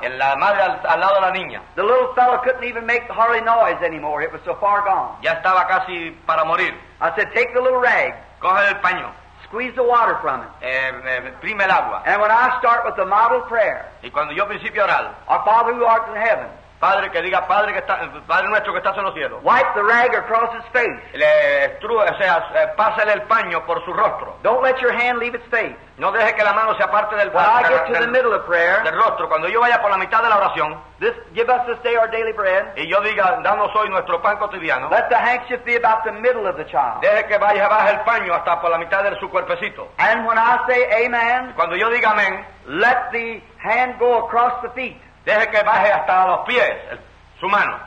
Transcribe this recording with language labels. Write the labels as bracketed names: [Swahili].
[Spanish] la madre al lado de la niña. [English] The little fellow couldn't even make hardly noise anymore, it was so far gone. [Spanish] Ya estaba casi para morir. [English] I said, take the little rag, [Spanish] coge el paño, [English] squeeze the water from it. [Spanish] Prime el agua. [English] And when I start with the model prayer, [Spanish] y cuando yo principio oral, [English] our Father who art in heaven, [Spanish] Padre que diga, Padre que está, Padre nuestro que estás en los cielos, [English] wipe the rag across his face. [Spanish] Pásale el paño por su rostro. [English] Don't let your hand leave its face. [Spanish] No deje que la mano se aparte del paño. [English] When I get to the middle of prayer, [Spanish] del rostro, cuando yo vaya por la mitad de la oración, [English] this, give us this day our daily bread, [Spanish] y yo diga, danos hoy nuestro pan cotidiano, [English] let the handkerchief be about the middle of the child. [Spanish] Deje que baje el paño hasta por la mitad de su cuerpecito. [English] And when I say amen, [Spanish] cuando yo diga amén, [English] let the hand go across the feet. [Spanish] Deje que baje hasta los pies, su mano.